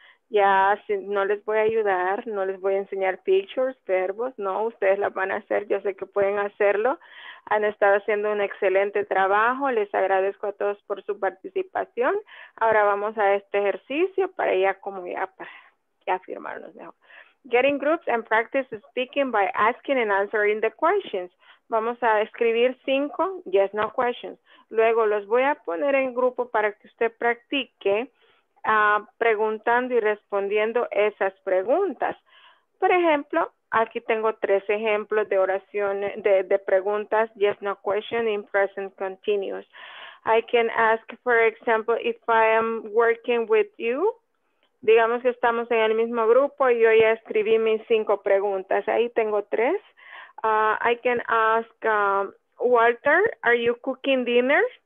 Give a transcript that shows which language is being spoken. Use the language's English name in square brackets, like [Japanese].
[Spanish] Ya, no les voy a ayudar, no les voy a enseñar pictures, verbos, no, ustedes las van a hacer, yo sé que pueden hacerlo. Han estado haciendo un excelente trabajo, les agradezco a todos por su participación. Ahora vamos a este ejercicio para ya como ya, firmarnos mejor. [English] Getting groups and practice speaking by asking and answering the questions. [Spanish] Vamos a escribir 5 yes, no questions. Luego los voy a poner en grupo para que usted practique. Preguntando y respondiendo esas preguntas. Por ejemplo, aquí tengo 3 ejemplos de oraciones, de preguntas, [English] yes, no question in present continuous. I can ask, for example, if I am working with you. [Spanish] Digamos que estamos en el mismo grupo y yo ya escribí mis 5 preguntas. Ahí tengo 3. [English] I can ask, Walter, are you cooking dinner?